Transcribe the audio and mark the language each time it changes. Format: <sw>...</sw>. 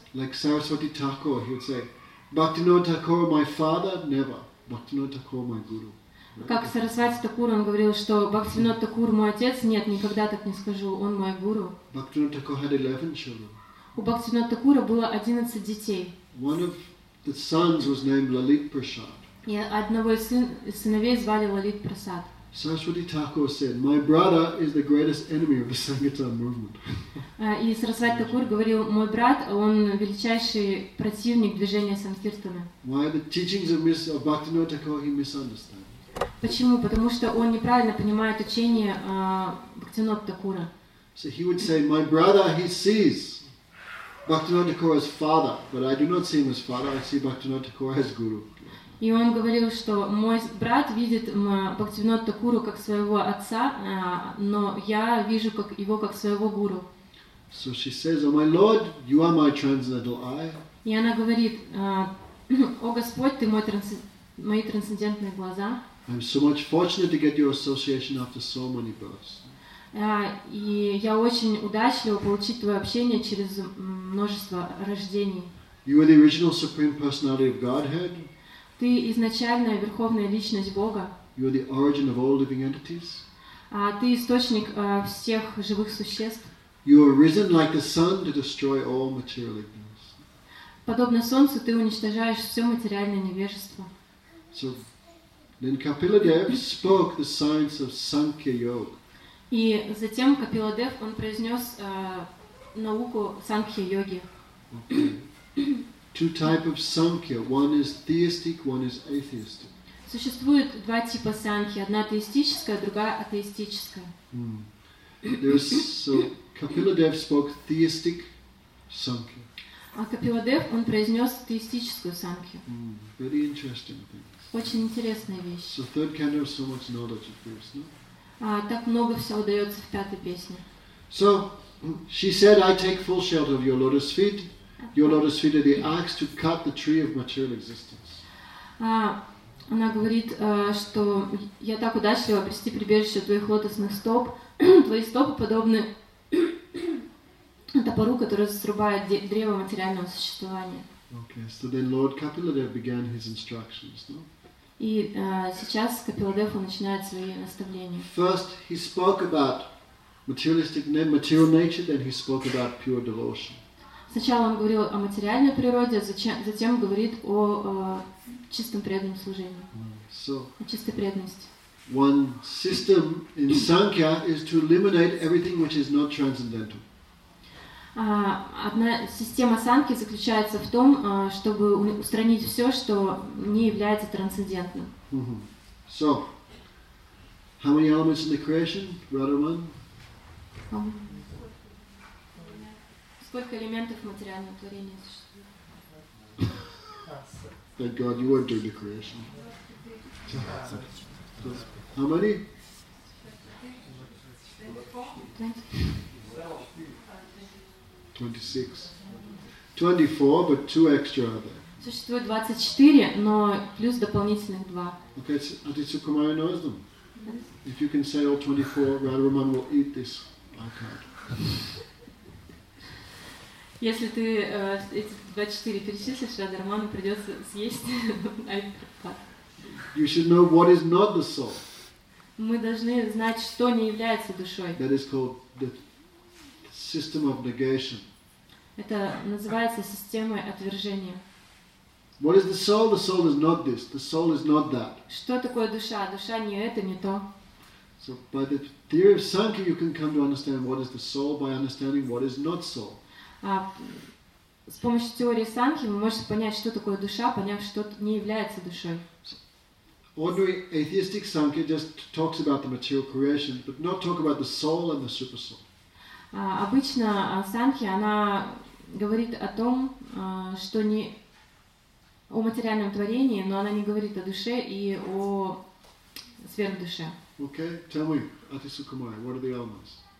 <en>Like Saraswati Thakur, he would say, Bhaktinoda Thakur, my father, never. Bhaktinoda Thakur, my guru.</en> <ru>Как Сарасвати Такур, он говорил, что Бхактинода Такур, мой отец, нет, никогда так не скажу, он мой гуру.</ru> <en>Bhaktinoda Thakur had 11 children.</en> <ru>У Бхактинода Такура было 11 детей.</ru> <en>One of the sons was named Lalit Prasad.</en> <ru>И одного из сыновей звали Лалит Прасад.</ru> <en>Saraswati Thakur said, "My brother is the greatest enemy of the Sangatana movement."</en> <ru>И Сарасвати Такур говорил, мой брат, он величайший противник движения Санкиртана.</ru> <en>Why the teachings of Bhaktivinoda Thakur he misunderstands?</en> <ru>Почему? Потому что он неправильно понимает учение Бхактинода Такура.</ru> <en>So he would say, "My brother, he sees Bhaktivinoda Thakur as father, but I do not see him as father. I see Bhaktivinoda Thakur as guru."</en> <ru>И он говорил, что мой брат видит Бхактивинода Такуру как своего отца, но я вижу его как своего гуру.</ru> <en>So she says, "Oh my Lord, you are my transcendental eye."</en> <ru>И она говорит, о Господь, ты мои трансцендентные глаза.</ru> <en>I'm so much fortunate to get your association after so many births.</en> <ru>И я очень удачливо получить твое общение через множество рождений.</ru> <en>You are the original supreme personality of Godhead.</en> <ru>Ты изначальная верховная личность Бога.</ru> <en>You are the origin of all living entities.</en> <ru>Ты источник всех живых существ.</ru> <en>You are risen like the sun to destroy all material ignorance.</en> <ru>Подобно солнцу, ты уничтожаешь все материальное невежество.</ru> <en>So, then Kapiladev spoke the science of Sankhya Yoga.</en> <ru>И затем Капиладев он произнес науку Сангхи Йоги.</ru> <en>Two type of sankhya. One is theistic, one is atheistic.</en> <ru>Существует два типа санкхи: одна теистическая, другая атеистическая.</ru> <en>So Kapiladev spoke theistic sankhya.</en> <ru>А Капиладев он произнес теистическую санкхи.</ru> <en>Very interesting things.</en> <ru>Очень интересная вещь.</ru> <en>So third canto so much knowledge of this, no?</en> <ru>Так много всего дается в пятой песне.</ru> <en>So she said, "I take full shelter of your lotus feet." Your lotus feet are the axe to cut the tree of material existence.</en> <ru>Она говорит, что я так удачливо обрести прибежище твоих лотосных стоп. Твои стопы подобны топору, который срубает древо материального существования.</ru> <en>Okay, so then Lord Kapiladev began his instructions, no?</en> <ru>И сейчас Капиладев начинает свои наставления.</ru> <en>First he spoke about materialistic, then material nature, then he spoke about pure devotion.</en> <ru>Сначала он говорил о материальной природе, затем говорит о чистом преданном служении, о чистой преданности.</ru> <en>One system in Sankhya is to eliminate everything which is not transcendental.</en> <ru>Одна система Санки заключается в том, чтобы устранить все, что не является трансцендентным.</ru> <en>So, how many elements in the creation, Radha Raman?</en> <ru>Сколько элементов материального творения существует?</ru> <en>Thank God, you weren't doing the creation. How many? 26. 24, but two extra are there.</en> <ru>Существует 24, но плюс дополнительных два.</ru> <en>Okay, Aditya Sukumari knows them. If you can say all 24, Radha Raman will eat this. I can't.</en> <ru>Если ты эти 24 перечислишь, Радха Раману придется съесть айпад.</ru> <en>You should know what is not the soul.</en> <ru>Мы должны знать, что не является душой.</ru> <en>That is called the system of negation.</en> <ru>Это называется системой отвержения.</ru> <en>What is the soul? The soul is not this. The soul is not that.</en> <ru>Что такое душа? Душа не это, не то.</ru> <en>So by the theory of Sankhya, you can come to understand what is the soul by understanding what is not soul.</en> <ru>С помощью теории Санхи мы можем понять, что такое душа, поняв, что не является душой.</ru> <en>Ordinary atheistic Sankhya just talks about the material creation, but not talk about the soul and the super soul.</en> <ru>Обычно Санхи она говорит о том, что не о материальном творении, но она не говорит о душе и о сверхдуше.</ru> <en>Okay, tell me, Aditya Sukumari, what are the elements?</en>